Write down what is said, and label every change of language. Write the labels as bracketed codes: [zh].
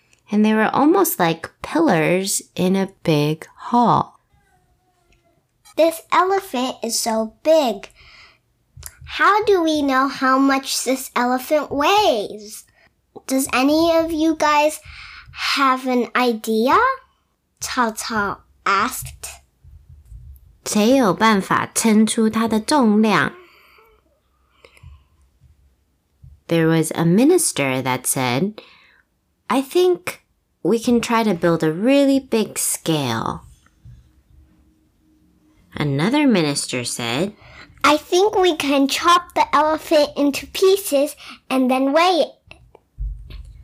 [en] And they were almost like pillars in a big hall. This elephant is so big. How do we know how much this elephant weighs? Does any of you guys have an idea? Cao Cao asked. [zh] 谁有办法称出它的重量? [en] There was a minister that said, I think we can try to build a really big scale. Another minister said, I think we can chop the elephant into pieces and then weigh it.